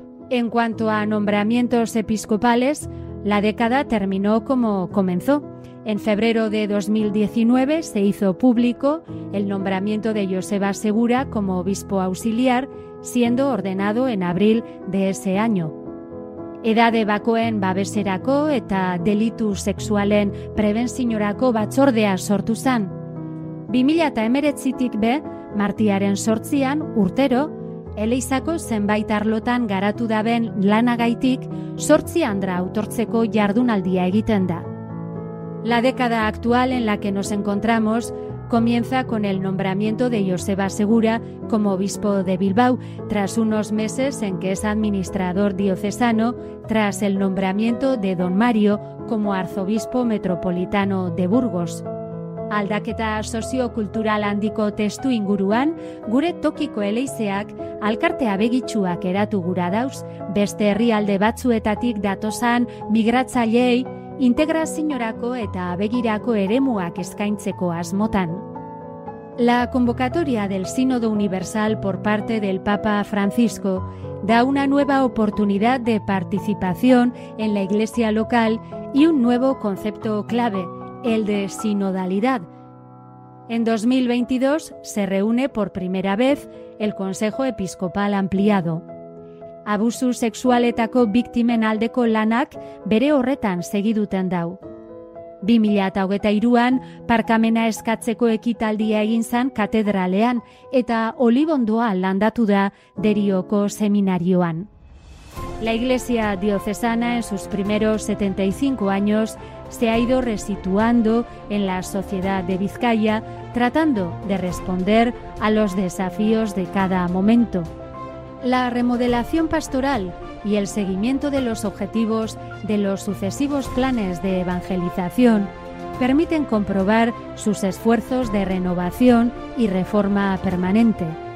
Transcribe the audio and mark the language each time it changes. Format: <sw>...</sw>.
<es>En cuanto a nombramientos episcopales, la década terminó como comenzó. En febrero de 2019 se hizo público el nombramiento de Joseba Segura como obispo auxiliar, siendo ordenado en abril de ese año.</es> <eu>Edade bakoen babeserako eta delitu sexualen prebentziorako batzordea sortu zan. 2019-tik be, martiaren 8an urtero, Eleizako zenbait arlotan garatu daben lanagaitik, 8 andra autortzeko jardunaldia egiten da.</eu> <es>La década actual en la que nos encontramos comienza con el nombramiento de Joseba Segura como obispo de Bilbao, tras unos meses en que es administrador diocesano, tras el nombramiento de don Mario como arzobispo metropolitano de Burgos.</es> <eu>Aldaketa soziokultural handiko testu inguruan, gure tokiko eleizeak alkartea begitsuak eratu gura dauz, beste herrialde batzuetatik datozan migratzaileei integraziorako eta abegirako eremuak eskaintzeko asmotan.</eu> <es>La convocatoria del Sínodo Universal por parte del Papa Francisco da una nueva oportunidad de participación en la Iglesia local y un nuevo concepto clave, el de sinodalidad. En 2022 se reúne por primera vez el Consejo Episcopal Ampliado.</es> <eu>Abusu sexualetako biktimen aldeko lanak bere horretan segiduten dau. 2023an parkamena eskatzeko ekitaldia egin zan katedralean eta olibondoa landatu da Derioko seminarioan.</eu> <es>La Iglesia diocesana en sus primeros 75 años se ha ido resituando en la sociedad de Vizcaya tratando de responder a los desafíos de cada momento. La remodelación pastoral y el seguimiento de los objetivos de los sucesivos planes de evangelización permiten comprobar sus esfuerzos de renovación y reforma permanente.</es>